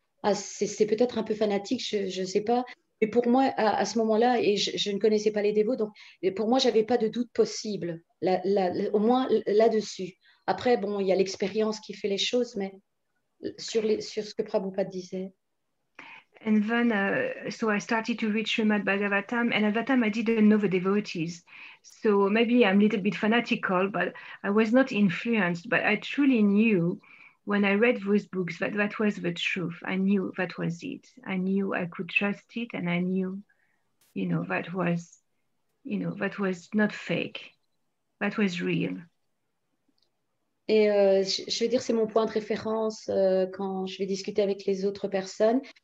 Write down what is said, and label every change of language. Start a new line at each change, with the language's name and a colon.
French: Ah, c'est peut-être un peu fanatique, je ne sais pas. Mais pour moi, à ce moment-là, et je ne connaissais pas les dévots, donc pour moi, je n'avais pas de doute possible, au moins là-dessus. Après, bon, il y a l'expérience qui fait les choses, mais sur ce que Prabhupada disait.
English: And then, so I started to read Srimad Bhagavatam, and at that time I didn't know the devotees. So maybe I'm a little bit fanatical, but I was not influenced. But I truly knew when I read those books that that was the truth. I knew that was it. I knew I could trust it, and I knew, you know, that was, you know, that was not fake. That was real.
French: Et je veux dire, c'est mon point de référence quand je vais discuter avec les autres personnes.